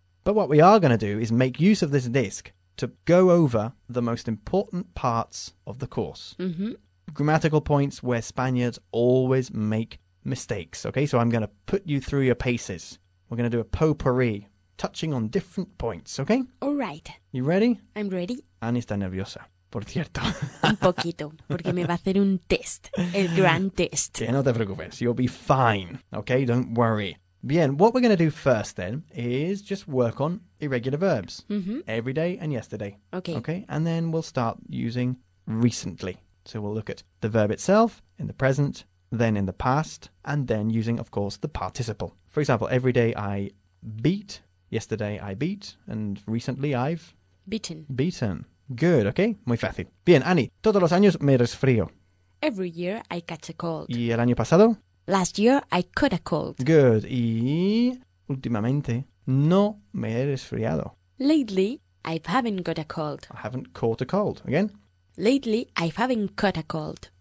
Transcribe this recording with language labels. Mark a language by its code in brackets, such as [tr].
[en] But what we are going to do is make use of this disc to go over the most important parts of the course. Mm-hmm. Grammatical points where Spaniards always make mistakes. Okay, so I'm going to put you through your paces. We're going to do a potpourri, touching on different points, okay? All right. You ready? I'm ready. [es] Annie está nerviosa, por cierto. Un poquito, porque me va a hacer un test, el gran test. [en] Yeah, [es] no te preocupes, [en] you'll be fine, okay? Don't worry. Bien, what we're going to do first then is just work on irregular verbs. Mm-hmm. Every day and yesterday. Okay. Okay, and then we'll start using recently. So we'll look at the verb itself in the present, then in the past, and then using, of course, the participle. For example, every day I beat, yesterday I beat, and recently I've... Beaten. Good, okay? [es] Muy fácil. Bien, Annie, todos los años me resfrío. [en] Every year I catch a cold. [es] ¿Y el año pasado? [en] Last year I caught a cold. Good, [es] y últimamente no me he resfriado. [en] Lately I haven't got a cold. I haven't caught a cold. Again? Lately I haven't caught a cold.